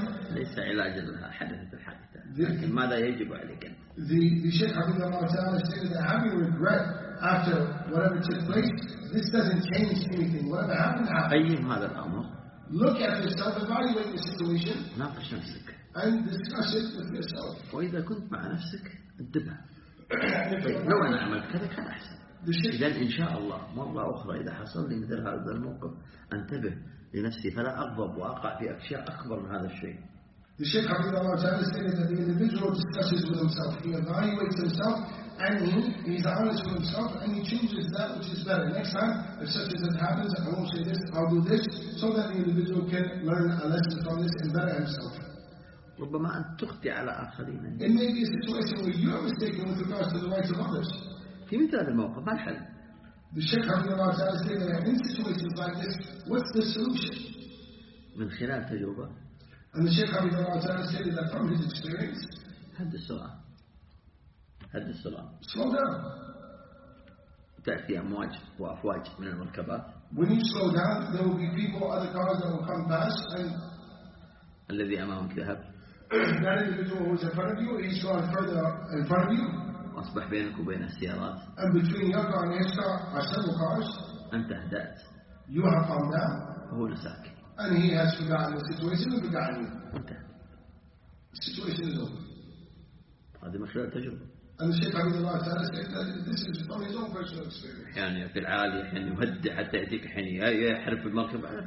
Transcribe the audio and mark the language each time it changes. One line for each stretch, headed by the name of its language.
Arabic: ليس علاج لها حدثت الحادثة. لكن ماذا يجب عليك؟
English: The Sheikh Abdullah Ta'ala said that having regret after whatever took place, this doesn't change anything. Whatever happened happened.
Arabic: قيم هذا الأمر.
English: Look at yourself, evaluate the situation.
Arabic: ناقش نفسك.
English: And discuss it with yourself.
Arabic: وإذا كنت مع نفسك انتبه. لو أنا عملت كذا كان أحسن. إذا إن شاء الله مرة أخرى إذا حصل لي مثل هذا الموقف انتبه لنفسي فلا أغضب وأقع في أشياء أكبر من هذا الشيء.
English: The Sheikh Abdullah Ta'ala says that the individual discusses with himself, he evaluates himself, and he's honest with himself, and he changes that which is better. Next time, if such as it happens, I won't say this. I'll do this so that the individual can learn a lesson from this and better himself.
Arabic: ربما أن تخطي على آخرين.
English: It may be a situation where you are mistaken with regards to the rights of others.
Arabic: في مثل هذا الموقف ما الحل؟
English: The Sheikh Abdullah Ta'ala said that in situations like this, what's the solution?
Arabic: من خلال تجربة.
English: And the Sheikh Abdullah Ta'ala said that from his experience.
Arabic: هد السرعة. هد السرعة.
English: Slow down.
Arabic: تأتي أمواج وأفواج من المركبات.
English: When you slow down, there will be people, other cars that will come past and.
Arabic: الذي أمامك ذهب.
English: That individual who is in front of you, he's gone further in front of you.
Arabic: أصبح بينك وبين السيارات.
English: And between your car and his car are several cars.
Arabic: أنت هدأت.
English: You have calmed down.
Arabic: هو نساك.
English: And he has forgotten the situation and forgotten you.
Arabic: أنت.
English: The situation is over.
Arabic: هذه من خلال تجربة.
English: And the Sheikh Abdullah Ta'ala said that this is from his own personal experience.
Arabic: يعني في العالي حين يهدي حتى يأتيك حين يحرف المركب.